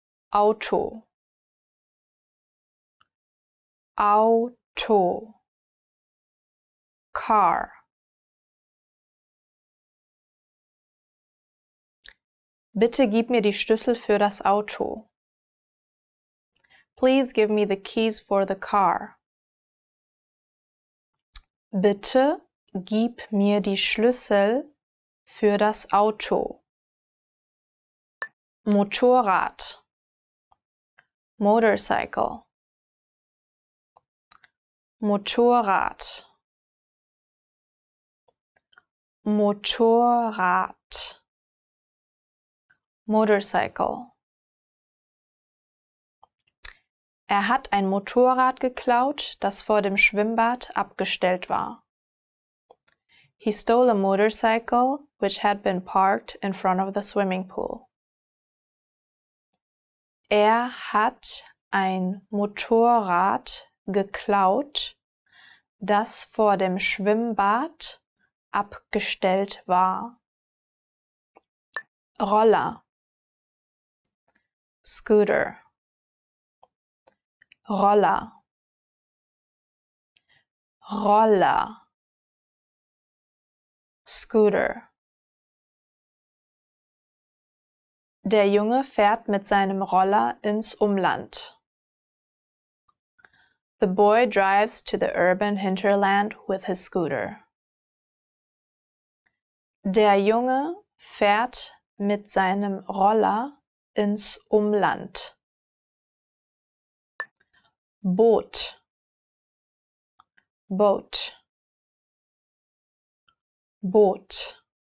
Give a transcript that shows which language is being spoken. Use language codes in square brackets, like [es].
[de] Auto. Auto. Car. Bitte gib mir die Schlüssel für das Auto. [en] Please give me the keys for the car. [de] Bitte gib mir die Schlüssel für das Auto. Motorrad. Motorcycle. Motorrad. Motorrad. Motorcycle. Er hat ein Motorrad geklaut, das vor dem Schwimmbad abgestellt war. [en] He stole a motorcycle which had been parked in front of the swimming pool. [de] Er hat ein Motorrad geklaut, das vor dem Schwimmbad abgestellt war. Roller. Scooter. Roller. Roller. [en] Scooter. [de] Der Junge fährt mit seinem Roller ins Umland. [en] The boy drives to the urban hinterland with his scooter. [de] Der Junge fährt mit seinem Roller ins Umland. Boot. Boat. Boot.